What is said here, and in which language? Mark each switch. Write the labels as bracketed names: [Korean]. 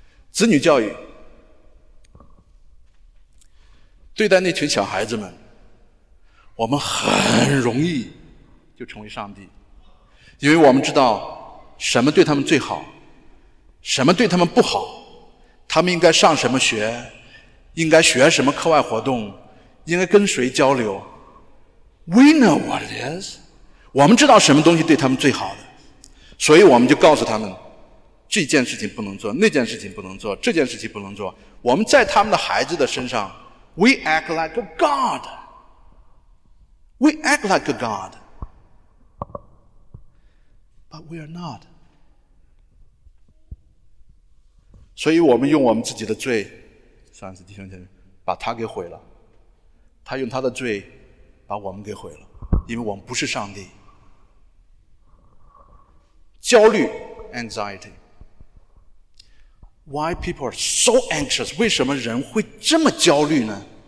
[Chinese] 子女教育，对待那群小孩子们，我们很容易就成为上帝，因为我们知道什么对他们最好，什么对他们不好，他们应该上什么学，应该学什么课外活动，应该跟谁交流。 [English] We know what it is， [Chinese] 我们知道什么东西对他们最好的，所以我们就告诉他们这件事情不能做，那件事情不能做，这件事情不能做。我们在他们的孩子的身上 [English] We act like a God， We act like a God， But we are not。 [Chinese] 所以我们用我们自己的罪，上次弟兄姐妹把他给毁了，他用他的罪把我们给毁了，因为我们不是上帝。焦虑 anxiety， [English] Why people are so anxious， [Chinese] 为什么人会这么焦虑呢？